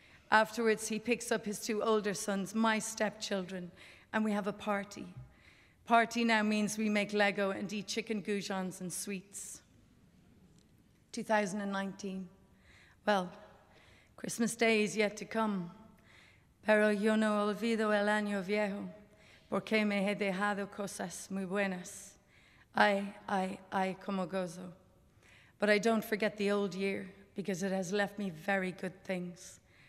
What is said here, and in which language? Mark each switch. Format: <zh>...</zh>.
<en>Afterwards, he picks up his two older sons, my stepchildren, and we have a party. Party now means we make Lego and eat chicken goujons and sweets. 2019. Well, Christmas Day is yet to come.</en> <es>Pero yo no olvido el año viejo, porque me he dejado cosas muy buenas. Ay, como gozo.</es> <en>But I don't forget the old year, because it has left me very good things.</en>